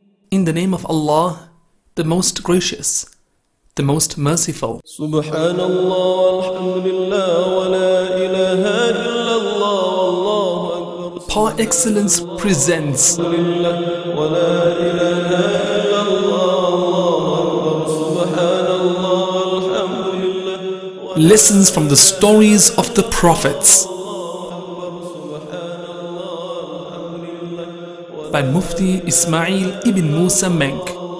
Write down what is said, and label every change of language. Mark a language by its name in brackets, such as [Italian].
[English] In the name of Allah, the most gracious, the most merciful. [Arabic] سبحان الله والحمد لله ولا إله إلا الله والله أكبر. [English] Par excellence presents. [Arabic] ولا إله إلا الله والله أكبر. سبحان الله والحمد لله. [English] Lessons from the stories of the prophets by Mufti Ismail ibn Musa Menk.